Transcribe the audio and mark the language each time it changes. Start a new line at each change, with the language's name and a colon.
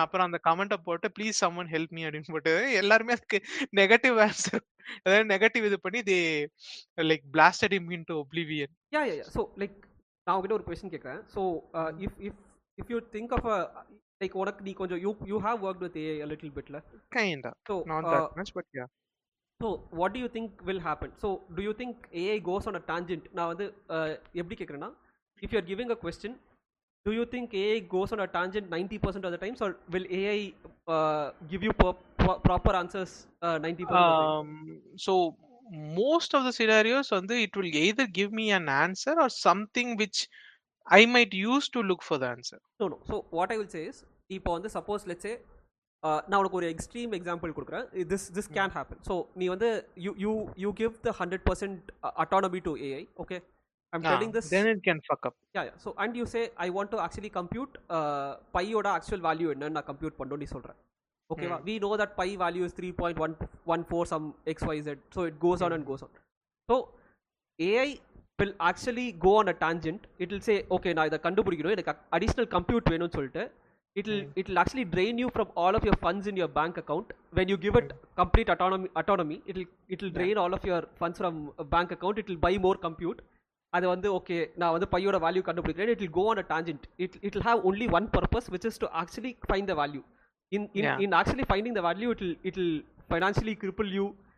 Tamil: அப்புறம் அந்த கமெண்ட போட்டு
English: please someone help me
Tamil: அப்படினு போட்டு எல்லாரும் அதுக்கு நெகட்டிவ் ஆன்சர் அதாவது நெகட்டிவ் இது பண்ணி
English: They like blasted him into oblivion. Yeah yeah yeah so like
Tamil: நான் உங்ககிட்ட ஒரு கொஸ்டின் கேக்குறேன்.
English: so if if if you think of a like
Tamil: உனக்கு நீ கொஞ்சம்
English: You you have worked with AI a little பிட்ல kind of so not that much but yeah. So, what do you think will happen? So, do you think AI goes on a tangent? Now, if you are giving a question, do you think AI goes on a tangent 90% of the times, or will AI give you proper answers 90% of the time? So, most of the scenarios, it will either give me an answer or something which I might use to look for the answer. No, no. So, what I will say is, suppose, let's say,
Tamil: நான் உனக்கு ஒரு extreme example கொடுக்குறேன்.
English: This this can happen. So
Tamil: நீ வந்து
English: You you you give the 100% autonomy to AI. Okay I am telling this then it can fuck up. Yeah yeah so and you say I want to actually compute
Tamil: பையோட actual value என்னன்னு நான் compute பண்ணோன்னு நீ சொல்கிறேன். ஓகேவா?
English: We know that pi value is 3.114 some X Y Z. So it goes on and goes on. So AI will actually go on a tangent.
Tamil: It will say okay நான் இதை கண்டுபிடிக்கணும், எனக்கு அடிஷ்னல் கம்ப்யூட் வேணும்னு சொல்லிட்டு
English: it will actually drain you from all of your funds in your bank account. When you give it complete autonomy it will drain all of your funds from a bank account. It will buy more compute.
Tamil: Adu vandu okay na vandu payoda value kandupidikiren.
English: It will go on a tangent. It will have only one purpose, which is to actually find the value. In actually finding the value, it will financially cripple you.